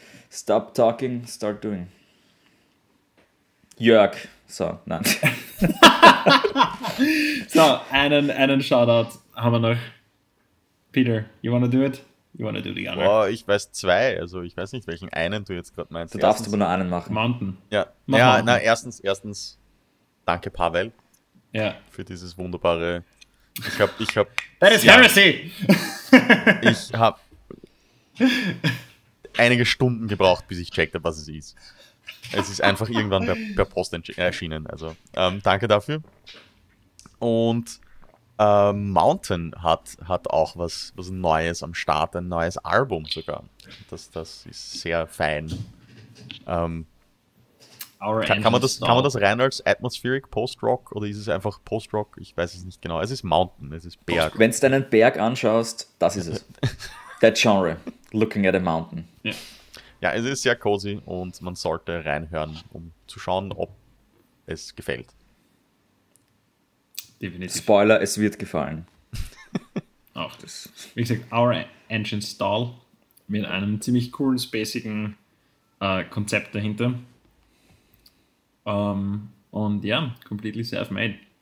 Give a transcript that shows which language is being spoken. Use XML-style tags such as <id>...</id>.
<en>Stop talking, start doing.</en> <de>Jörg. So, nein. So, einen Shoutout haben wir noch.</de> <en>Peter, you wanna do it?</en> <de>Ich war nicht über die Anna. Boah, ich weiß zwei, also ich weiß nicht, welchen einen du jetzt gerade meinst. Du darfst aber nur einen machen. Mountain. Ja, mach ja Mountain. Na, erstens, danke Pavel. Ja. Für dieses wunderbare. Ich hab.</de> <en>That is heresy! Ja,</en> <de>ich hab einige Stunden gebraucht, bis ich checkt habe, was es ist. Es ist einfach irgendwann per Post erschienen. Also, danke dafür. Und Mountain hat auch was Neues am Start, ein neues Album sogar. Das ist sehr fein. Kann man das rein als Atmospheric Post-Rock oder ist es einfach Post-Rock? Ich weiß es nicht genau. Es ist Mountain, es ist Berg. Wenn du einen Berg anschaust, das ist es.</de> <en>That genre, looking at a mountain.</en> <de>Ja, es ist sehr cozy und man sollte reinhören, um zu schauen, ob es gefällt. Definitiv. Spoiler, es wird gefallen. Auch das. Wie gesagt, Our Ancient Stall mit einem ziemlich coolen, spacigen Konzept dahinter. Und ja,</de> <en>completely self-made.</en>